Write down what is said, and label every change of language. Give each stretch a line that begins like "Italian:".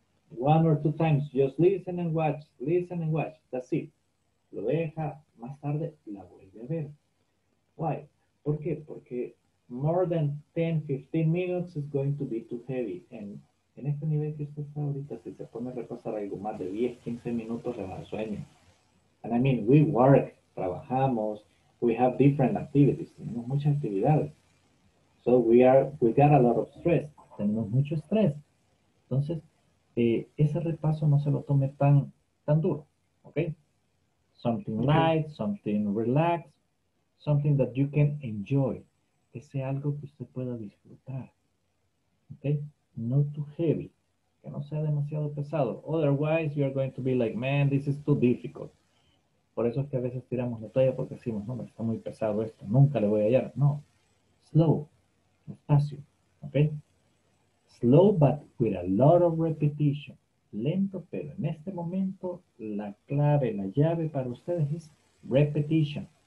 English: 1 or 2 times, just listen and watch, listen and watch. That's it.
Spanish: Lo deja, más tarde la vuelve a ver.
English: Why?
Spanish: ¿Por qué? Porque
English: more than 10, 15 minutes is going to be too heavy.
Spanish: And en este nivel que usted está ahorita, si se pone a repasar algo más de 10, 15 minutos, le va a sueño.
English: And I mean, we work,
Spanish: trabajamos.
English: We have different activities.
Spanish: Tenemos muchas actividades.
English: So we got a lot of stress.
Spanish: Tenemos mucho estrés. Entonces, ese repaso no se lo tome tan duro, ¿ok?
English: Something light, something relaxed, something that you can enjoy.
Spanish: Que sea algo que usted pueda disfrutar, ¿ok?
English: No too heavy,
Spanish: que no sea demasiado pesado.
English: Otherwise, you are going to be like, man, this is too difficult.
Spanish: Por eso es que a veces tiramos la toalla porque decimos, no, está muy pesado esto, nunca le voy a hallar.
English: No, slow,
Spanish: despacio,
English: ¿ok? Slow, but with a lot of repetition.
Spanish: Lento, pero en este momento la clave, la llave para ustedes es repetition.